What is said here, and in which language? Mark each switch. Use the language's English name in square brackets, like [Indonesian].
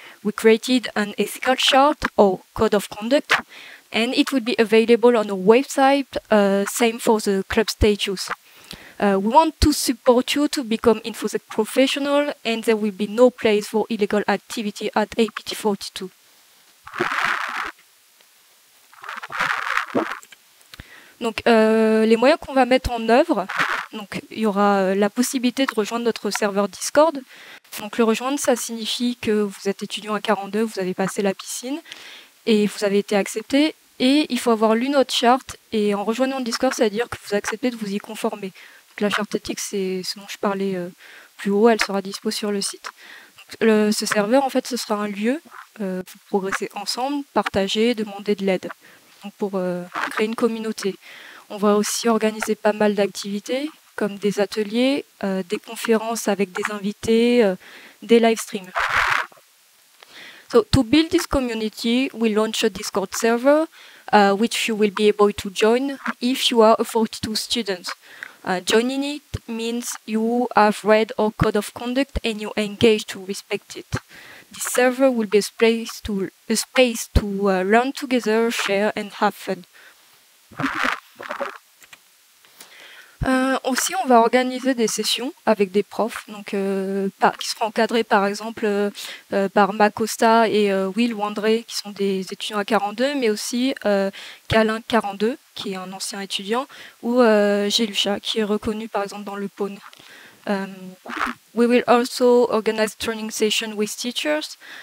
[English] We created an ethical chart or code of conduct, and it will be available on our website, same for the club status. We want to support you to become InfoSec professional, and there will be no place for illegal activity at APT42. [French] Donc, les moyens qu'on va mettre en œuvre, donc il y aura la possibilité de rejoindre notre serveur Discord. Donc, le rejoindre, ça signifie que vous êtes étudiant à 42, vous avez passé la piscine et vous avez été accepté. Et il faut avoir lu notre charte et en rejoignant le Discord, c'est-à-dire que vous acceptez de vous y conformer. Donc, la charte éthique, c'est ce dont je parlais plus haut, elle sera dispo sur le site. Donc, ce serveur, en fait, ce sera un lieu pour progresser ensemble, partager, demander de l'aide. Donc pour créer une communauté. On va aussi organiser pas mal d'activités, comme des ateliers, des conférences avec des invités, des live streams. [English] So to build this community, we launched a Discord server, which you will be able to join if you are a 42 student. Joining it means you have read our code of conduct and you engage to respect it. This server will be a space to learn together, share and have fun. [French] Aussi, on va organiser des sessions avec des profs, donc qui seront encadrés par exemple par Ma Costa et Will Wandré, qui sont des étudiants à 42, mais aussi Calin 42, qui est un ancien étudiant, ou Gélucha, qui est reconnu par exemple dans le Pône. [English] We will also organize training sessions with teachers.